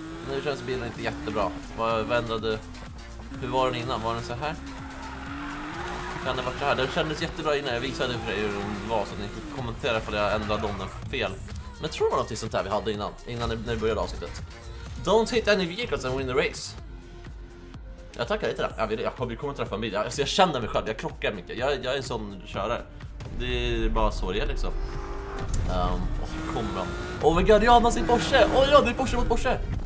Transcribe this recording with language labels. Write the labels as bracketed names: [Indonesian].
[Swedish] nu känns bilen inte jättebra. Vad ändrade du? Hur var den innan? Var den så här? Kan det vara så här? Den kändes jättebra innan. Jag visade för dig hur den var så att ni kommenterar för att jag ändrade om den fel. Men tror man att det är sånt här vi hade innan? Innan när det började avsnittet. [English] Don't hit any vehicles and win the race. [Swedish] Jag tackar dig till det. Jag kommer att träffa en bil. Alltså, jag känner mig själv. Jag krockar mycket. Jag är en sån körare. Det är bara så det är liksom. Kommer han. [English] Oh my god, [Swedish] jag har sin Porsche. Oh ja, det är Porsche mot Porsche.